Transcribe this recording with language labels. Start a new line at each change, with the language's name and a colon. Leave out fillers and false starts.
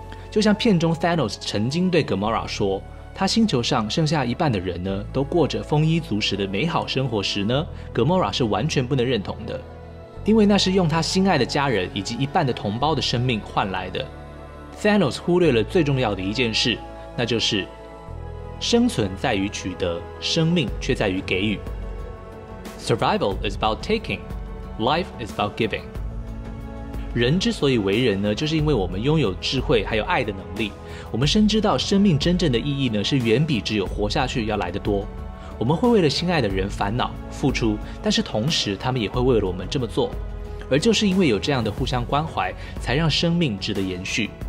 Chinese: 就像片中 Thanos 曾经对 Gamora 说，他星球上剩下一半的人呢，都过着丰衣足食的美好生活时呢， Gamora 是完全不能认同的，因为那是用他心爱的家人以及一半的同胞的生命换来的。 Thanos 忽略了最重要的一件事，那就是生存在于取得，生命却在于给予。
English: Survival is about taking, life is about giving。
Chinese: 人之所以为人呢，就是因为我们拥有智慧还有爱的能力。我们深知到生命真正的意义呢，是远比只有活下去要来得多。我们会为了心爱的人烦恼付出，但是同时他们也会为了我们这么做。而就是因为有这样的互相关怀，才让生命值得延续。